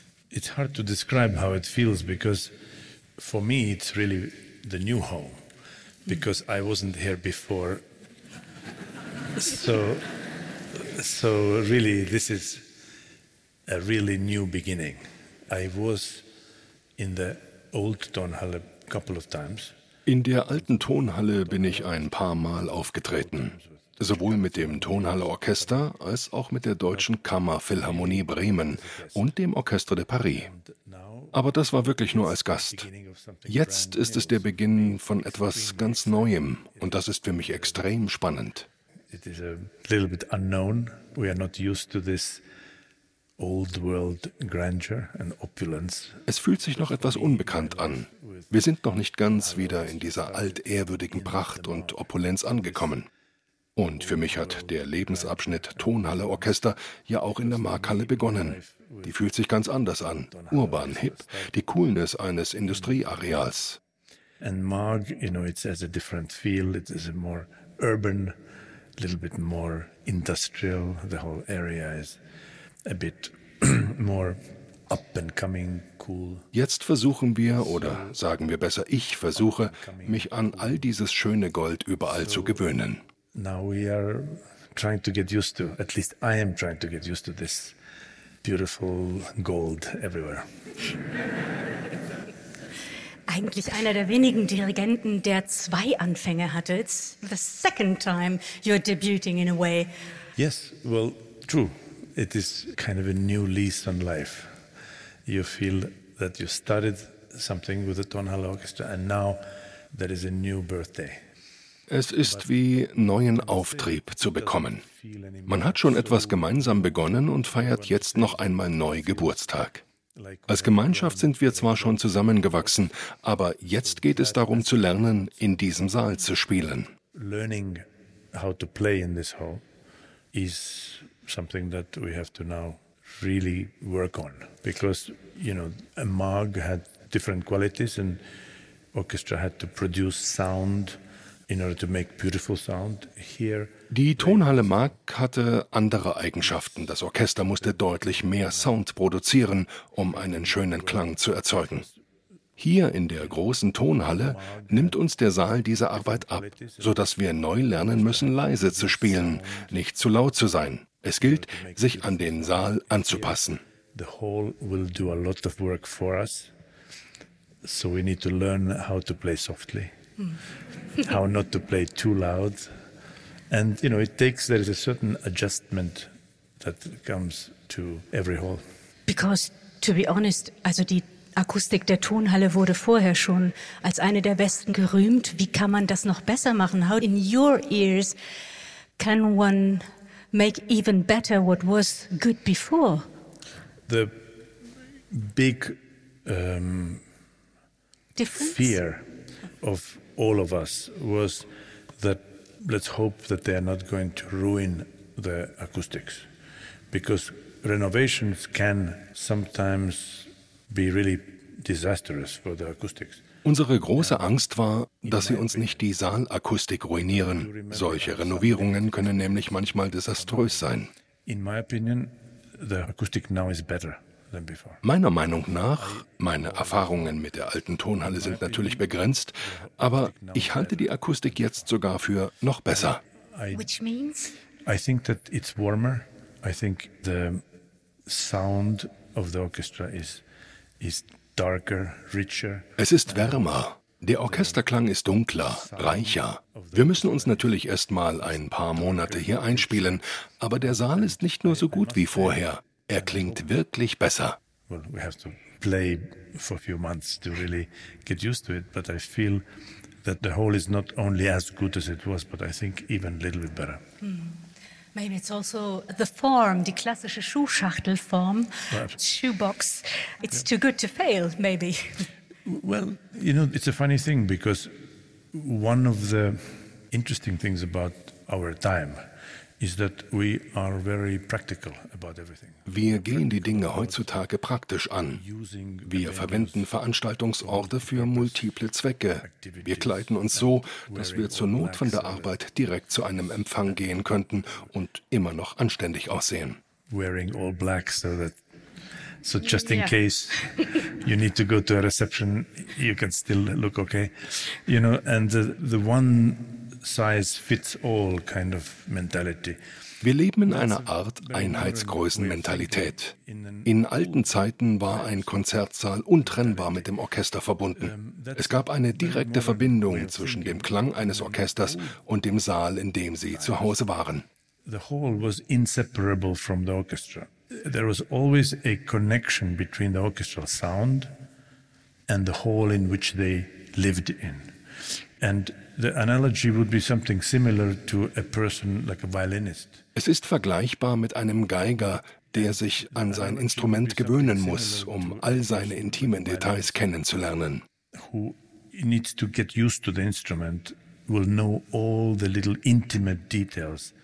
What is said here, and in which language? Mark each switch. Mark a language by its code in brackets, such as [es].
[en] It's hard to describe how it feels because for me it's really the new home because I wasn't here before. So really, this is a really new beginning. I was in the old Tonhalle a couple of times. [de] In der alten Tonhalle bin ich ein paar Mal aufgetreten, sowohl mit dem Tonhalle-Orchester als auch mit der Deutschen Kammerphilharmonie Bremen und dem Orchestre de Paris. Aber das war wirklich nur als Gast. Jetzt ist es der Beginn von etwas ganz Neuem, und das ist für mich extrem spannend. [en] It is a little bit unknown. We are not used to this old world grandeur and opulence. [de] Es fühlt sich noch etwas unbekannt an. Wir sind noch nicht ganz wieder in dieser altehrwürdigen Pracht und Opulenz angekommen. Und für mich hat der Lebensabschnitt Tonhalle Orchester ja auch in der Markhalle begonnen. Die fühlt sich ganz anders an. Urban, hip, die Coolness eines Industrieareals. [en] And Marg, you know, it has a different feel. It is a more urban, a little bit more industrial. The whole area is a bit more up and coming, cool. [de] Jetzt versuchen wir, oder sagen wir besser, ich versuche, mich an all dieses schöne Gold überall zu gewöhnen. [en] Now we are trying to get used to, at least I am trying to get used to this beautiful gold everywhere. [de] Eigentlich einer der wenigen Dirigenten, der zwei Anfänge hatte. [en] It's the second time you're debuting in a way. Yes, well, true. It is kind of a new lease on life. You feel that you started something with the Tonhalle Orchestra and now there is a new birthday. [de] Es ist wie neuen Auftrieb zu bekommen. Man hat schon etwas gemeinsam begonnen und feiert jetzt noch einmal neu Geburtstag. Als Gemeinschaft sind wir zwar schon zusammengewachsen, aber jetzt geht es darum zu lernen, in diesem Saal zu spielen. [en] Learning how to play in this hall is something that we have to now really work on, because you know, a Marg had different qualities and orchestra had to produce sound in order to make beautiful sound here. [de] Die Tonhalle Marg hatte andere Eigenschaften. Das Orchester musste deutlich mehr Sound produzieren, um einen schönen Klang zu erzeugen. Hier in der großen Tonhalle nimmt uns der Saal diese Arbeit ab, sodass wir neu lernen müssen, leise zu spielen, nicht zu laut zu sein. Es gilt, sich an den Saal anzupassen. [en] The hall will do a lot of work for us, so we need to learn how to play softly, how not to play too loud. And, you know, it takes, there is a certain adjustment that comes to every hall. Because, to be honest, [de] also die Akustik der Tonhalle wurde vorher schon als eine der besten gerühmt. Wie kann man das noch besser machen? [en] How in your ears can one make even better what was good before? The big difference? Fear of all of us was that let's hope that they are not going to ruin the acoustics, because renovations can sometimes be really disastrous for the acoustics. [de] Unsere große Angst war, dass sie uns nicht die Saalakustik ruinieren. Solche Renovierungen können nämlich manchmal desaströs sein. [en] In my opinion, the acoustic now is better. [de] Meiner Meinung nach, meine Erfahrungen mit der alten Tonhalle sind natürlich begrenzt, aber ich halte die Akustik jetzt sogar für noch besser. [en] Which means? I think that it's warmer. I think the sound of the orchestra is darker, richer. [de] Es ist wärmer. Der Orchesterklang ist dunkler, reicher. Wir müssen uns natürlich erst mal ein paar Monate hier einspielen, aber der Saal ist nicht nur so gut wie vorher. Er klingt wirklich besser. [en] Well, we have to play for a few months to really get used to it, but I feel that the hall is not only as good as it was, but I think even a little bit better. Maybe it's also the form, [de] die klassische Schuhschachtelform, [en] shoebox. It's too good to fail, maybe. Well, you know, it's a funny thing, because one of the interesting things about our time is that we are very practical about everything. [de] Wir gehen die Dinge heutzutage praktisch an. Wir verwenden Veranstaltungsorte für multiple Zwecke. Wir kleiden uns so, dass wir zur Not von der Arbeit direkt zu einem Empfang gehen könnten und immer noch anständig aussehen. [en] Wearing all black so just in case you need to go to a reception, you can still look okay. You know, and the one size fits all kind of mentality. [de] Wir leben in einer Art Einheitsgrößenmentalität. In alten Zeiten war ein Konzertsaal untrennbar mit dem Orchester verbunden. Es gab eine direkte Verbindung zwischen dem Klang eines Orchesters und dem Saal, in dem sie zu Hause waren. [en] The hall was inseparable from the orchestra. There was always a connection between the orchestral sound and the hall in which they lived in. And the analogy would be something similar to a person like a violinist. [de] Es ist vergleichbar mit einem Geiger, der sich an sein Instrument gewöhnen muss, um all seine intimen Details kennenzulernen. [en] Who needs to get used to the instrument will know all the little intimate details.